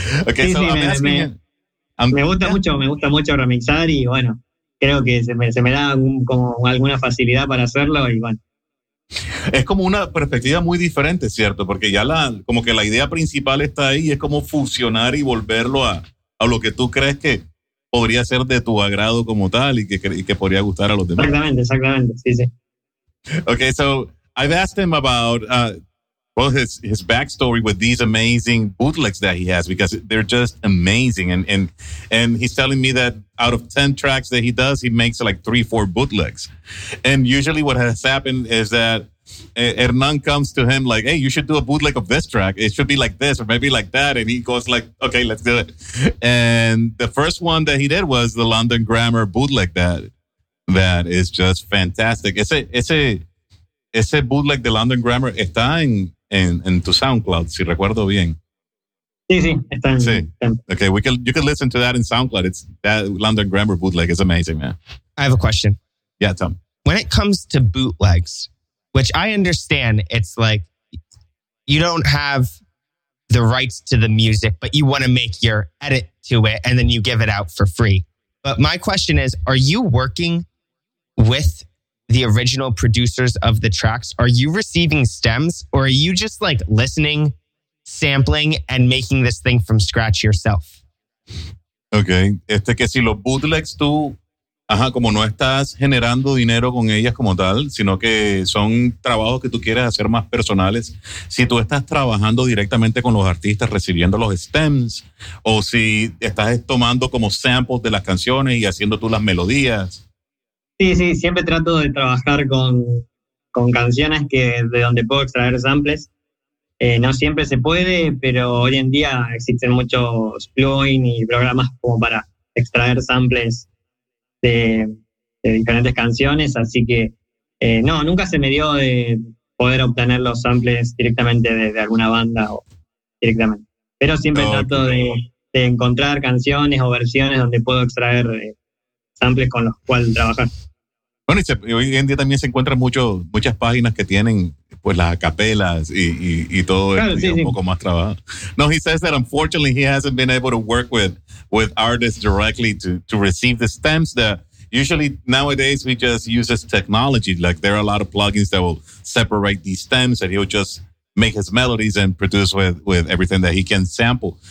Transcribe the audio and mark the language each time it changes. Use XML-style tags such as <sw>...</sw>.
<es>Okay, sí, me gusta mucho remixar y bueno, creo que se me da como alguna facilidad para hacerlo y bueno. Es como una perspectiva muy diferente, ¿cierto? Porque ya como que la idea principal está ahí, es como fusionar y volverlo a lo que tú crees que podría ser de tu agrado como tal y que podría gustar a los demás. Exactamente, exactamente, sí, sí.</es> <en>Okay, so I've asked him about Well, his backstory with these amazing bootlegs that he has, because they're just amazing. And he's telling me that out of 10 tracks that he does, he makes like 3-4 bootlegs. And usually what has happened is that Hernan comes to him like, hey, you should do a bootleg of this track. It should be like this or maybe like that. And he goes like, okay, let's do it. And the first one that he did was the London Grammar bootleg that is just fantastic.</en> <es>Ese bootleg de London Grammar está en tu SoundCloud, si recuerdo bien. Sí, está en. Sí.</es> <en>Okay, you can listen to that in SoundCloud. It's that London Grammar bootleg is amazing, man. I have a question. Yeah, Tom. When it comes to bootlegs, which I understand, it's like you don't have the rights to the music, but you want to make your edit to it and then you give it out for free. But my question is, are you working with the original producers of the tracks? Are you receiving stems or are you just like listening, sampling and making this thing from scratch yourself? Okay.</en> <es>Que si los bootlegs tú, ajá, como no estás generando dinero con ellas como tal, sino que son trabajos que tú quieres hacer más personales, si tú estás trabajando directamente con los artistas, recibiendo los stems, o si estás tomando como samples de las canciones y haciendo tú las melodías. Sí, siempre trato de trabajar con canciones que de donde puedo extraer samples. No siempre se puede, pero hoy en día existen muchos plugins y programas como para extraer samples de diferentes canciones, así que no, nunca se me dio de poder obtener los samples directamente de alguna banda o directamente. Pero siempre trato de encontrar canciones o versiones donde puedo extraer samples con los cuales trabajar. Bueno, y hoy en día también se encuentran muchas páginas que tienen pues las acapelas y todo, claro, eso, sí, y sí. Un poco más trabajo.</es> <en>No, he says that unfortunately he hasn't been able to work with artists directly to receive the stems. That usually nowadays we just use this technology. Like there are a lot of plugins that will separate these stems and he'll just make his melodies and produce with everything that he can sample.</en>